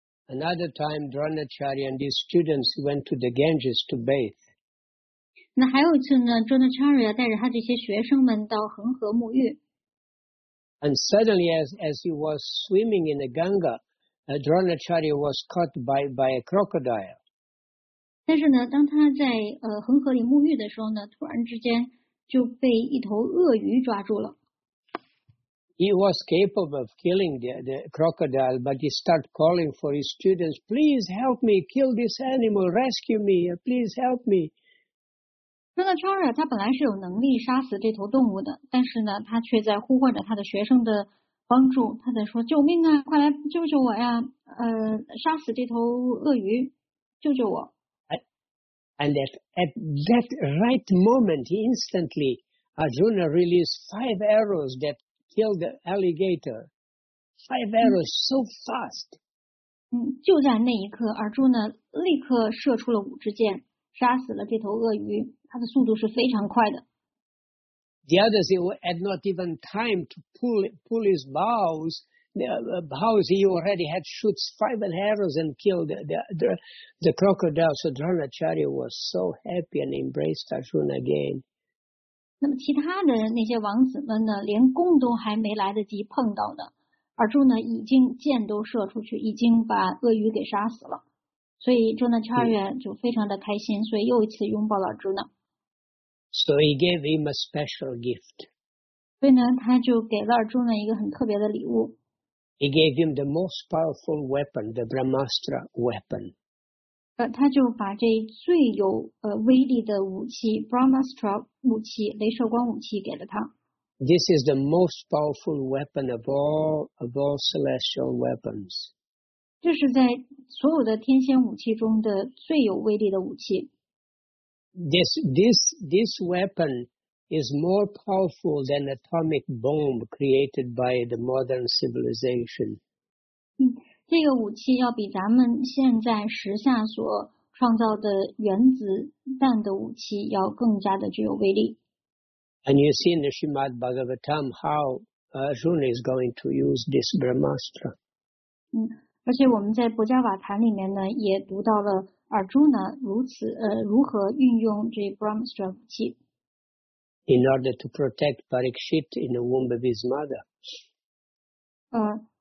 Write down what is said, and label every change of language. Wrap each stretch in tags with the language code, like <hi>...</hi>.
<en>Another time, Dronacharya and his students went to the Ganges to bathe.</en> <zh>那还有一次呢 ，Dronacharya 带着他这些学生们到恒河沐浴。</zh> <en>And suddenly, as he was swimming in the Ganga, Dronacharya was caught by a crocodile.</en> <zh>但是呢，当他在恒河里沐浴的时候呢，突然之间就被一头鳄鱼抓住了。</zh> <en>He was capable of killing the crocodile, but he started calling for his students, please help me kill this animal, rescue me, please help me.</en> <zh>那个超人他本来是有能力杀死这头动物的，但是呢他却在呼唤着他的学生的帮助，他在说救命啊，快来救救我呀，杀死这头鳄鱼，救救我。</zh> <en>And at that right moment, instantly, Arjuna released 5 arrows that killed the alligator. 5 arrows so fast.</en> <zh>就在那一刻，尔朱呢立刻射出了五支箭，杀死了这头鳄鱼。它的速度是非常快的。</zh> <en>The others had not even time to pull his bows. Bows he already had shoots 5 arrows and killed the crocodile. So Dronacharya was so happy and embraced Arjuna again.</en> <zh>那么其他的那些王子们呢，连弓都还没来得及碰到呢，而朱呢已经箭都射出去，已经把鳄鱼给杀死了，所以朱呢超越就非常的开心，所以又一次拥抱了朱呢。</zh> <en>So he gave him a special gift.</en> <zh>所以呢，他就给了朱呢一个很特别的礼物。</zh> <en>He gave him the most powerful weapon, the Brahmastra weapon.</en> <zh>他就把这最有威力的武器 Brahmastra 武器雷射光武器给了他。</zh> <en>This is the most powerful weapon of all celestial weapons.</en> <zh>这是在所有的天仙武器中的最有威力的武器。</zh> <en>This weapon is more powerful than atomic bomb created by the modern civilization.</en> <zh>这个武器要比咱们现在时下所创造的原子弹的武器要更加的具有威力。</zh> <en>And you see in the Srimad Bhagavatam how Arjuna is going to use this Brahmastra.</en> <zh>而且我们在博伽瓦坛里面呢，也读到了 Arjuna 如何运用这 Brahmastra 武器。</zh> <en>in order to protect Parikshit in the womb of his mother.</en>